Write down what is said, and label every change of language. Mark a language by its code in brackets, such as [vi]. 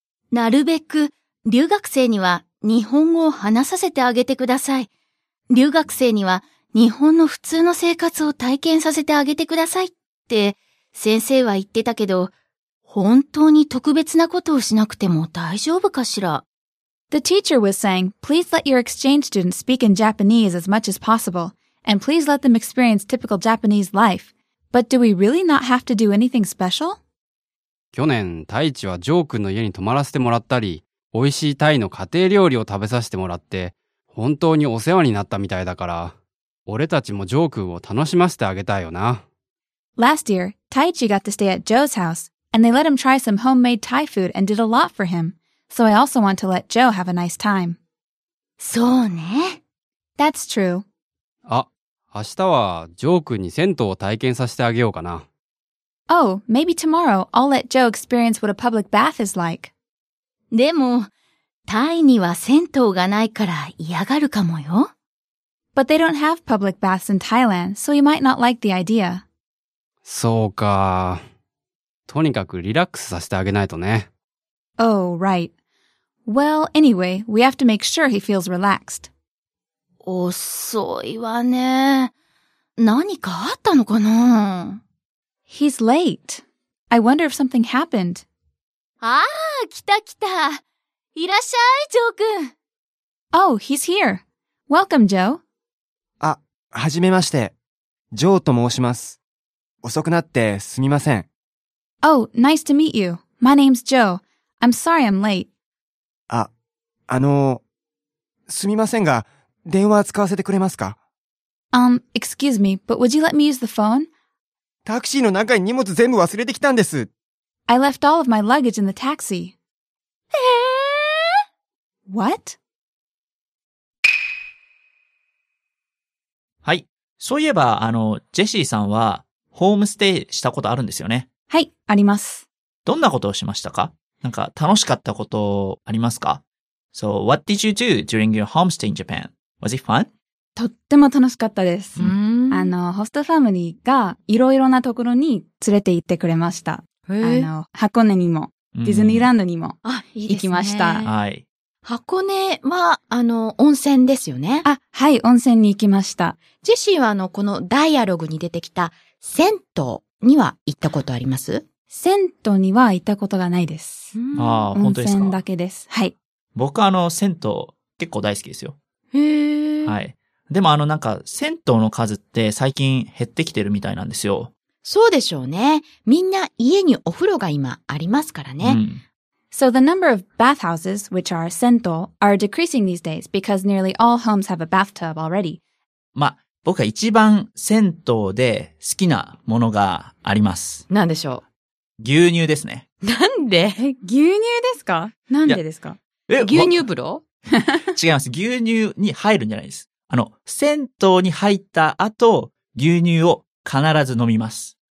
[ja] なるべく留学生には日本語を話させてあげてください。留学生には日本の普通の生活を体験させてあげてくださいって先生は言ってたけど、本当に特別なことをしなくても大丈夫かしら。 [en] The teacher was saying, please let your exchange student speak in Japanese as much as possible, and please let them experience typical Japanese life. But do we really not have to do anything special? [ja] 去年、タイチはジョー君の家に泊まらせてもらったり、美味しいタイの家庭料理を食べさせてもらって、本当にお世話になったみたいだから、俺たちもジョー君を楽しませてあげたいよな。 [en] Last year, Taichi got to stay at Joe's house, and they let him try some homemade Thai food and did a lot for him. So I also want to let Joe have a nice time. [ja] そうね。 [en] That's true. [ja] 明日はジョー君に銭湯を体験させてあげようかな。 [en] Oh, maybe tomorrow I'll let Joe experience what a public bath is like. [ja] でも、タイには銭湯がないから嫌がるかもよ。 [en] But they don't have public baths in Thailand, so you might not like the idea. [ja] そうか。とにかくリラックスさせてあげないとね。 [en] Oh, right. Well, anyway, we have to make sure he feels relaxed. [ja] 遅いわね。何かあったのかな？ [en] He's late. I wonder if something happened. [ja] ああ、来た来た。いらっしゃい、ジョー君。 [en] Oh, he's here. Welcome, Joe. [ja] あ、はじめまして。ジョーと申します。遅くなってすみません。 [en] Oh, nice to meet you. My name's Joe. I'm sorry I'm late. [ja] あ、すみませんが、電話使わせてくれますか？ [en] Excuse me, but would you let me use the phone? [ja] タクシーの中に荷物全部忘れてきたんです。 [en] I left all of my luggage in the taxi. What? [ja] はい。そういえば、ジェシーさんは、ホームステイしたことあるんですよね。はい、あります。どんなことをしましたか？なんか、楽しかったことありますか？ [en] So, what did you do during your homestay in Japan? Was it fun? [ja] とっても楽しかったです。ホストファミリーがいろいろなところに連れて行ってくれました。箱根にも、ディズニーランドにも、行きました。はい。箱根は、温泉ですよね。あ、はい、温泉に行きました。ジェシーは、このダイアログに出てきた、銭湯には行ったことあります？銭湯には行ったことがないです。ああ、本当ですか。温泉だけです。はい。僕は、銭湯、結構大好きですよ。へえ。はい。でもなんか、銭湯の数って最近減ってきてるみたいなんですよ。そうでしょうね。みんな家にお風呂が今ありますからね。うん、 [en] So the number of bathhouses, which are 銭湯, are decreasing these days because nearly all homes have a bathtub already. [ja] まあ、僕が一番銭湯で好きなものがあります。なんでしょう？牛乳ですね。なんで？牛乳ですか？なんでですか？牛乳風呂？違います。牛乳に入るんじゃないです。銭湯に入った後、牛乳を必ず飲みます。